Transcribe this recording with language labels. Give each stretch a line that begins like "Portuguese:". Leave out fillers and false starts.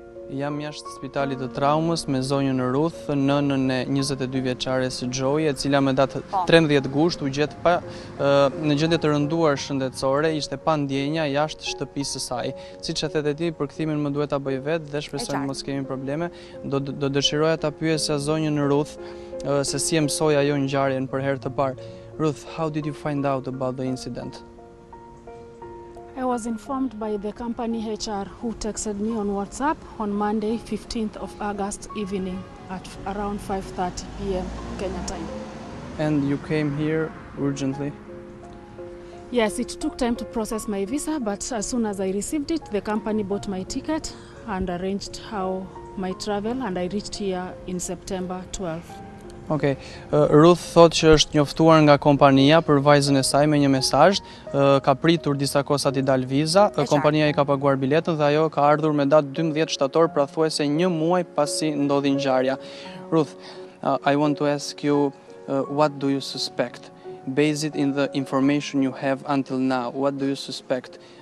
Albanian: Jam jashtë spitalit të traumës me zonjën Ruth, nënën e 22 vjeçares Gjoje, e cila me datë 13 gusht u gjet pa në gjendje të rënduar shëndetësore, ishte pa ndjenja jashtë shtëpisë së saj. Siç e the ti, përkthimin më duhet ta bëj vetë dhe shpresoj të mos kemi probleme. Do dëshiroja ta pyesja zonjën Ruth se si e mësoi ajo ngjarjen për herë të parë.
English: Ruth, how did you find out about the incident? I was informed by the company HR who texted me on WhatsApp on Monday 15th of August evening at around 5:30 p.m. Kenya time. And you came here urgently? Yes, it took time to process my visa, but as soon as I received it, the company bought my ticket and arranged how my travel, and I reached here in September 12th. Okay.
Albanian: Ruth thot që është njoftuar nga kompania për vajzën e saj me një mesazh, ka pritur disa kohë sa t'i dalë viza, kompania i ka paguar biletën dhe ajo ka ardhur me datë 12 shtator, pra thuajse një muaj pasi ndodhi ngjarja.
English: Ruth, I want to ask you, what do you suspect? Based in the information you have until now, what do you suspect?